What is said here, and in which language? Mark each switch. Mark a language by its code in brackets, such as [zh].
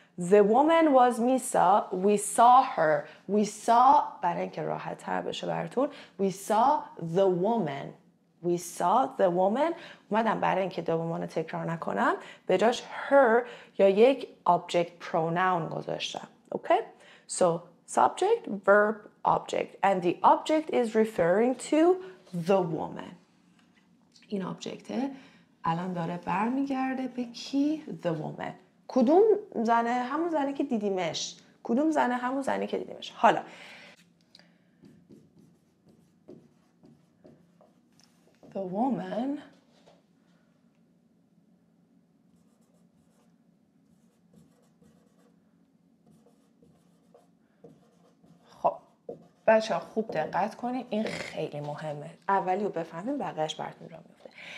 [en] The woman was Misa. We saw her. We saw، [fa] برای اینکه راحت تر بشه براتون، [en] we saw the woman. We saw the woman. [fa] اومدم برای اینکه دومانو تکرار نکنم، به جاش her یا یک object pronoun گذاشتم. [en] Okay? So subject, verb, object. And the object is referring to the woman. [fa] این objecte الان داره برمیگرده به کی؟ [en] The woman. [fa] کدوم زنه؟ همون زنه که دیدیمش. کدوم زنه؟ همون زنه که دیدیمش. حالا [en] the woman [fa] خب بچه ها خوب دقت کنید، این خیلی مهمه، اولی رو بفهمیم بقیهش براتون را میفته.